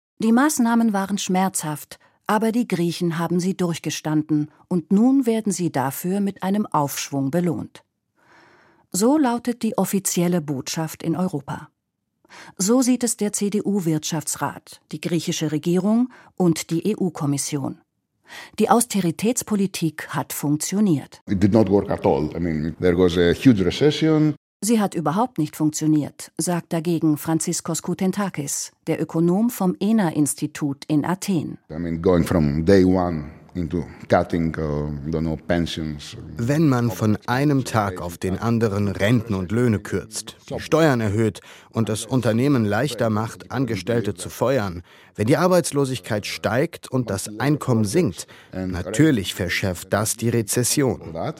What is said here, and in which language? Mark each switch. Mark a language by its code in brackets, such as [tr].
[de] Die Maßnahmen waren schmerzhaft, aber die Griechen haben sie durchgestanden und nun werden sie dafür mit einem Aufschwung belohnt. So lautet die offizielle Botschaft in Europa. So sieht es der CDU-Wirtschaftsrat, die griechische Regierung und die EU-Kommission. Die Austeritätspolitik hat funktioniert. [en] It did not work at all. I mean, there was a huge recession. [de] Sie hat überhaupt nicht funktioniert, sagt dagegen Franziskos Koutentakis, der Ökonom vom ENA-Institut in Athen. [en] I mean, going from day one. Into cutting, don't know, pensions. [de] Wenn man von einem Tag auf den anderen Renten und Löhne kürzt, die Steuern erhöht und das Unternehmen leichter macht, Angestellte zu feuern, wenn die Arbeitslosigkeit steigt und das Einkommen sinkt, natürlich verschärft das die Rezession.